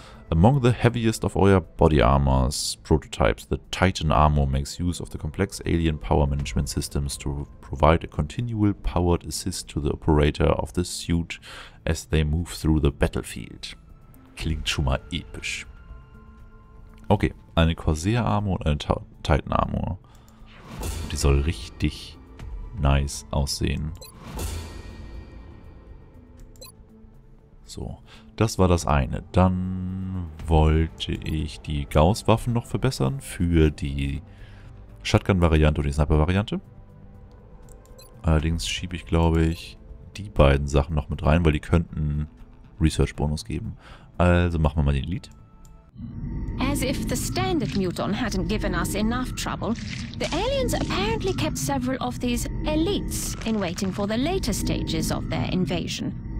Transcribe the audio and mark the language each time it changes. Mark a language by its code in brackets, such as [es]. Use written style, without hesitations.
[en] Among the heaviest of all body armors prototypes, the Titan Armor makes use of the complex alien power management systems to provide a continual powered assist to the operator of the suit as they move through the battlefield. [de] Klingt schon mal episch. Okay, eine Corsair Armor und eine Titan Armor. Die soll richtig nice aussehen. So, das war das eine. Dann wollte ich die Gauss-Waffen noch verbessern für die Shotgun-Variante und die Sniper-Variante. Allerdings schiebe ich, glaube ich, die beiden Sachen noch mit rein, weil die könnten Research-Bonus geben. Also machen wir mal den Lead. [en] As if the standard muton hadn't given us enough trouble, the aliens apparently kept several of these elites in waiting for the later stages of their invasion.